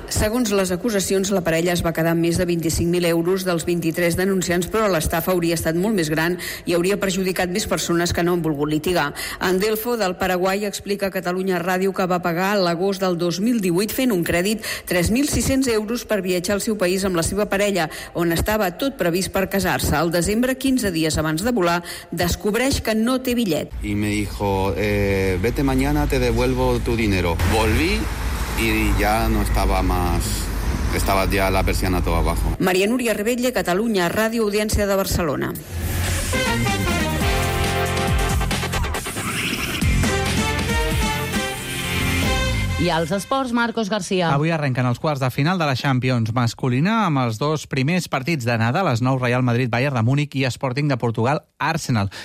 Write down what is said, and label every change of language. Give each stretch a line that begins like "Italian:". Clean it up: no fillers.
Catalan: Segons les acusacions, la parella es va quedar amb més de 25.000 euros dels 23 denunciants, però l'estafa hauria estat molt més gran i hauria perjudicat més persones que no han volgut litigar. Andelfo, del Paraguai, explica a Catalunya Ràdio que va pagar l'agost del 2018 fent un crèdit 3.600 euros per viatjar al seu país amb la seva parella, on estava tot previst per casar-se. El desembre, 15 dies abans de volar, descobreix que no té bitllet.
Spanish: Y me dijo, vete mañana, te devuelvo tu dinero. Volví. Y ya no estaba más, estaba ya la persiana todo abajo.
Catalan: María Núria Rebelle, Catalunya Ràdio, Audiència de Barcelona. I als esports, Marcos García. Avui arrenquen els quarts de final de la Champions masculina amb els dos primers partits de Nadal, es nou Real Madrid, Bayern de Múnich i Sporting de Portugal, Arsenal.